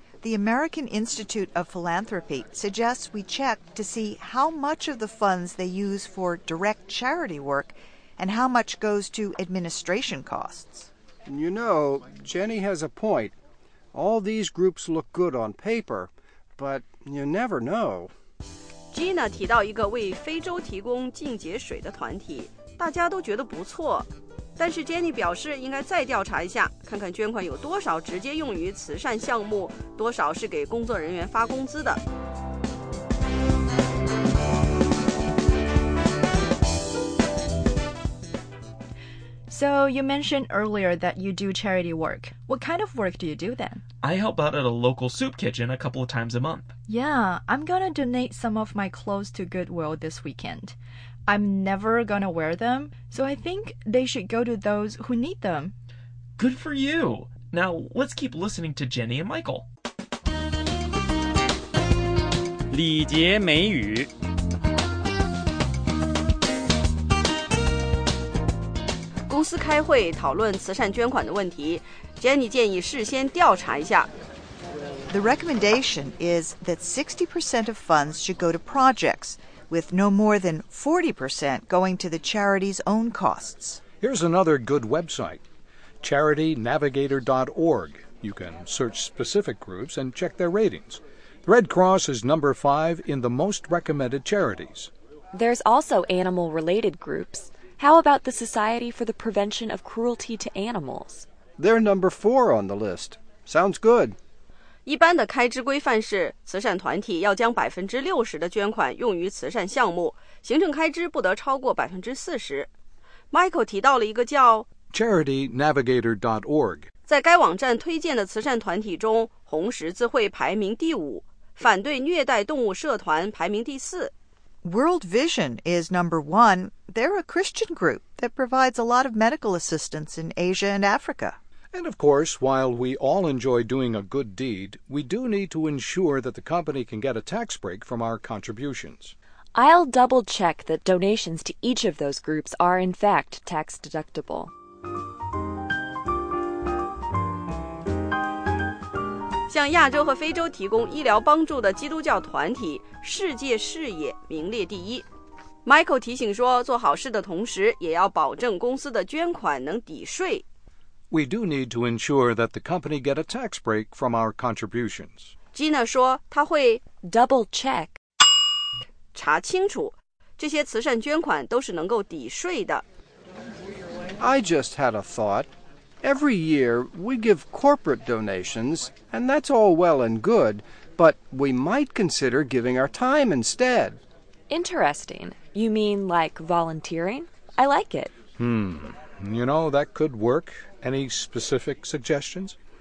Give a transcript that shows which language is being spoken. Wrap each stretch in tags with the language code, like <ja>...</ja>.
<en>The American Institute of Philanthropy suggests we check to see how much of the funds they use for direct charity work and how much goes to administration costs. You know, Jenny has a point. All these groups look good on paper, but you never know.</en> <zh>Gina 提到一个为非洲提供净洁水的团体，大家都觉得不错。但是 Jenny 表示应该再调查一下，看看捐款有多少直接用于慈善项目，多少是给工作人员发工资的。</zh> <en>So you mentioned earlier that you do charity work. What kind of work do you do then? I help out at a local soup kitchen a couple of times a month. Yeah, I'm gonna donate some of my clothes to Goodwill this weekend. I'm never gonna wear them, so I think they should go to those who need them. Good for you. Now let's keep listening to Jenny and Michael.</en> <zh>礼节美语公司开会讨论慈善捐款的问题 Jenny 建议事先调查一下</zh> <en>The recommendation is that 60% of funds should go to projects with no more than 40% going to the charity's own costs Here's another good website CharityNavigator.org You can search specific groups and check their ratings Red Cross is number 5 in the most recommended charities There's also animal-related groupsHow about the Society for the Prevention of Cruelty to Animals? They're number 4 on the list. Sounds good.</en> <zh>一般的开支规范是慈善团体要将60%的捐款用于慈善项目，行政开支不得超过40%。 Michael 提到了一个叫 CharityNavigator.org. 在该网站推荐的慈善团体中，红十字会排名第5，反对虐待动物社团排名第4。</zh> <en>World Vision is number 1. They're a Christian group that provides a lot of medical assistance in Asia and Africa. And of course, while we all enjoy doing a good deed, we do need to ensure that the company can get a tax break from our contributions. I'll double check that donations to each of those groups are in fact tax deductible.</en> <zh>向亚洲和非洲提供医疗帮助的基督教团体世界视野名列第一。 Michael 提醒说，做好事的同时，也要保证公司的捐款能抵税。</zh> <en>We do need to ensure that the company get a tax break from our contributions.</en> <zh>Gina 说她会</zh> <en>double check</en> <zh>查清楚这些慈善捐款都是能够抵税的。</zh> <en>I just had a thought. Every year, we give corporate donations, and that's all well and good, but we might consider giving our time instead. Interesting. You mean like volunteering? I like it. You know, that could work. Any specific suggestions?</en>